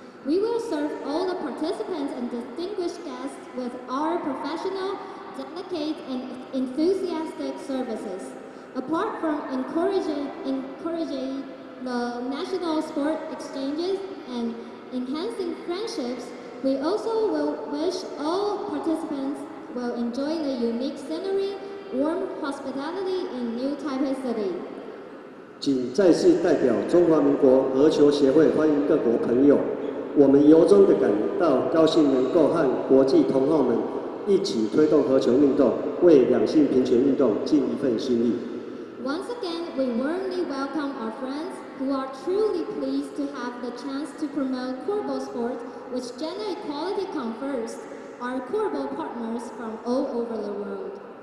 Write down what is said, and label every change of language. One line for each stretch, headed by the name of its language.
English: We will serve all the participants and distinguished guests with our professional, dedicated, and enthusiastic services. Apart from encouraging the national sport exchanges and enhancing friendships, we also will wish all participants will enjoy the unique scenery. Warm hospitality in New Taipei City.
Chinese: 请再次代表中华民国和球协会欢迎各国朋友，我们由衷的感到高兴能够和国际同好们一起推动和球运动，为两性平权运动尽一份心力。
English: Once again, we warmly welcome our friends who are truly pleased to have the chance to promote football sports, which gender equality confers our football partners from all over the world.